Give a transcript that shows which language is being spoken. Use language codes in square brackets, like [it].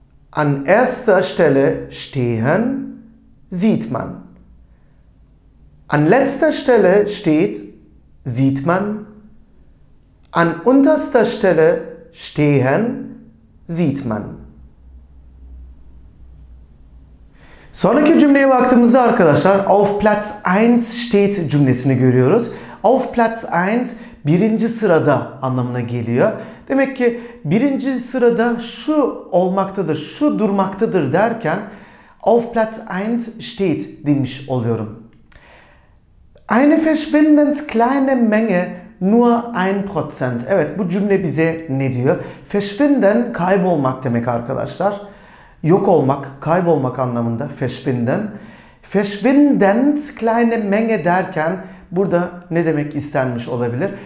[de] An erster Stelle stehen, sieht man. An letzter Stelle steht, sieht man. An unterster Stelle stehen, sieht man. [tr] Sonraki cümleye baktığımızda arkadaşlar, [de] auf Platz 1 steht [tr] cümlesini görüyoruz. [de] Auf Platz 1, [tr] birinci sırada anlamına geliyor. Demek ki birinci sırada şu olmaktadır, şu durmaktadır derken [de] auf Platz 1 steht [tr] demiş oluyorum. [de] Eine verschwindend kleine Menge nur 1%. [tr] Evet, bu cümle bize ne diyor? Verschwinden kaybolmak demek arkadaşlar. Yok olmak, kaybolmak anlamında verschwinden. [de] Verschwindend kleine Menge [tr] derken burada ne demek istenmiş olabilir?